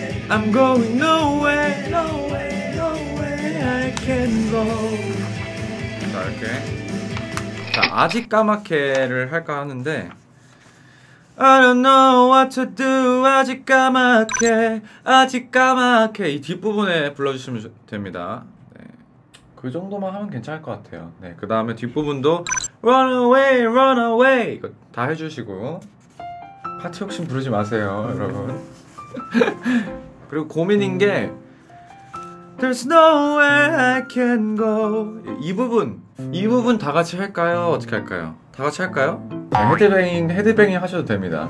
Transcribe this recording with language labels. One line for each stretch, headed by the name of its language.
English: I'm going nowhere, nowhere, nowhere I can go.
Korean: 자, 이렇게 자, 아직 까맣게를 할까 하는데.
English: I don't know what to do.
Korean: 아직 까맣게, 아직 까맣게. 이 뒷부분에 불러주시면 됩니다. 네. 그 정도만 하면 괜찮을 것 같아요. 네, 그 다음에 뒷부분도
English: Run away, run away.
Korean: 이거 다 해주시고 파티 욕심 부르지 마세요, 여러분. 그리고 고민인 게
English: There's nowhere I can go.
Korean: 이 부분, 이 부분 다 같이 할까요? 어떻게 할까요? 다 같이 할까요? 헤드뱅잉, 헤드뱅잉 하셔도 됩니다.